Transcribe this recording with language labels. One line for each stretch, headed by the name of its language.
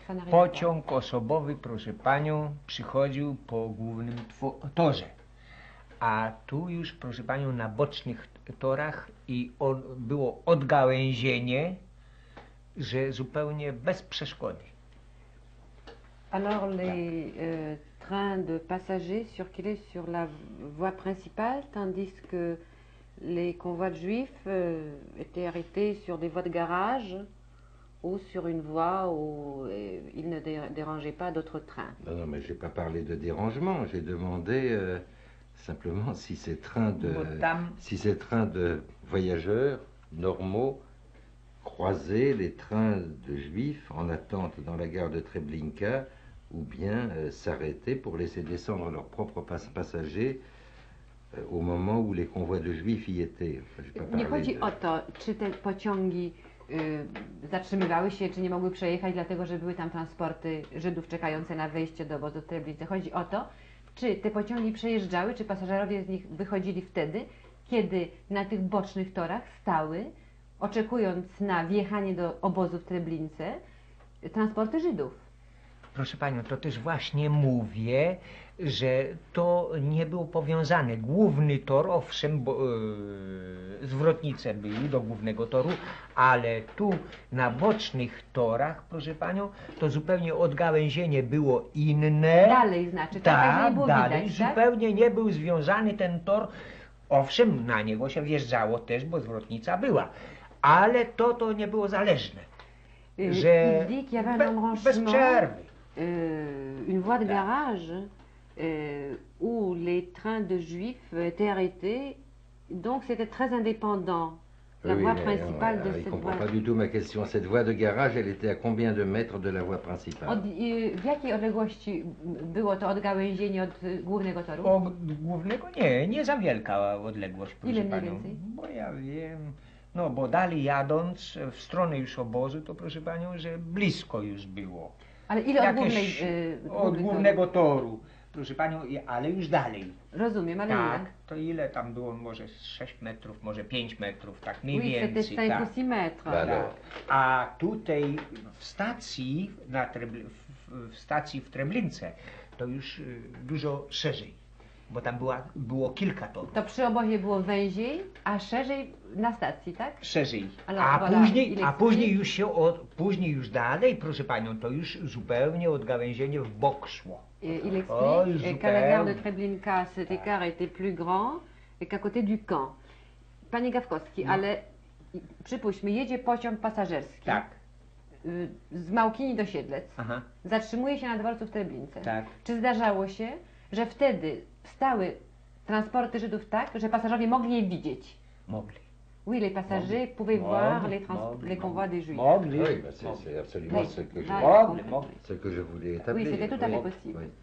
Polish: Pociąg osobowy, proszę Panią, przychodził po głównym torze. A tu już, proszę Panią, na bocznych torach i było odgałęzienie, że zupełnie bez przeszkody.
French: Alors les trains de passagers circulaient sur la voie principale, tandis que les convois de juifs étaient arrêtés sur des voies de garage ou sur une voie où ils ne dérangeaient pas d'autres trains. Non, non, mais je n'ai pas parlé de dérangement, j'ai demandé... Simplement, si ces trains de voyageurs normaux croisaient les trains de juifs en attente dans la gare de Treblinka, ou bien s'arrêtaient pour laisser descendre leurs propres passagers au moment où les convois de juifs y étaient.
Polish: Nie chodzi o to, czy te pociągi zatrzymywały się, czy nie mogły przejechać, dlatego że były tam transporty Żydów czekające na wejście do obozu Treblinka. Chodzi o to. Czy te pociągi przejeżdżały, czy pasażerowie z nich wychodzili wtedy, kiedy na tych bocznych torach stały, oczekując na wjechanie do obozu w Treblince, transporty Żydów? Proszę Panią, to też właśnie mówię, że to nie było powiązane. Główny tor, owszem, bo, zwrotnice były do głównego toru, ale tu na bocznych torach, proszę Panią, to zupełnie odgałęzienie było inne. Dalej znaczy, tak, tak nie było dalej widać, zupełnie tak? nie był związany ten tor. Owszem, na niego się wjeżdżało też, bo zwrotnica była, ale to nie było zależne, że bez przerwy.
French: Une voie de garage où les trains de juifs étaient arrêtés, donc c'était très indépendant, la oui, voie principale de cette voie. Je ne comprends pas du tout ma question. Cette voie de garage, elle était à combien de mètres de la voie principale?
Polish: W jakiej odległości było to odgałęzienie od głównego toru? Od głównego? Nie, nie za wielka odległość, proszę Panią. Ile mniej więcej? Bo ja wiem, no bo dalej jadąc w stronę już obozu, to proszę Panią, że blisko już było. Ale ile jakieś od głównego toru, proszę Panią, ale już dalej. Rozumiem, ale tak, ile? To ile tam było, może 6 metrów, może 5 metrów, tak mniej
French: oui,
Polish: więcej. Tak. 5 metrów. Tak. A tutaj w stacji, w stacji w Treblince, to już dużo szerzej, bo tam było kilka torów. To przy obozie było węziej, a szerzej na stacji, tak? Szerzej. A później już dalej, proszę Panią, to już zupełnie odgałęzienie w bok szło.
French: Il explique, qu'à la gare de Treblinka, cet écart était plus grand qu'à côté du camp.
Polish: Panie Gawkowski, no. ale przypuśćmy, jedzie pociąg pasażerski. Tak. Z Małkini do Siedlec. Aha. Zatrzymuje się na dworcu w Treblince. Tak. Czy zdarzało się, że wtedy stały transporty Żydów tak, że pasażerowie mogli je widzieć? Mogli.
French: Oui, les passagers pouvaient voir les convois des Juifs.
Polish: Mogli.
French: Oui, c'est absolument ce que je voulais établir. Oui, c'était tout à fait possible.